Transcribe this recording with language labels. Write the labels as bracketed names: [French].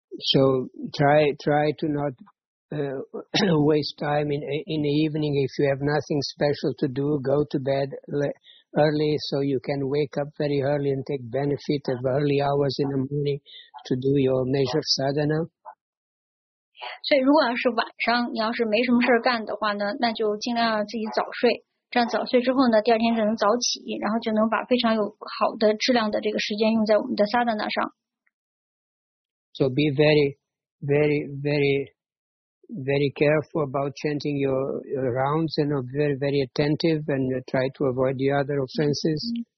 [English] So try to not waste time in the evening. If you have nothing special to do, go to bed early so you can wake up very early and take benefit of early hours in the morning to do your measure sadhana. [Chinese] 所以如果要是晚上你要是没什么事干的话呢，那就尽量自己早睡。这样早睡之后呢，第二天才能早起，然后就能把非常有好的质量的这个时间用在我们的sadhana上。 [English] So be very, very, very, very careful about chanting your rounds and very, very attentive and try to avoid the other offenses.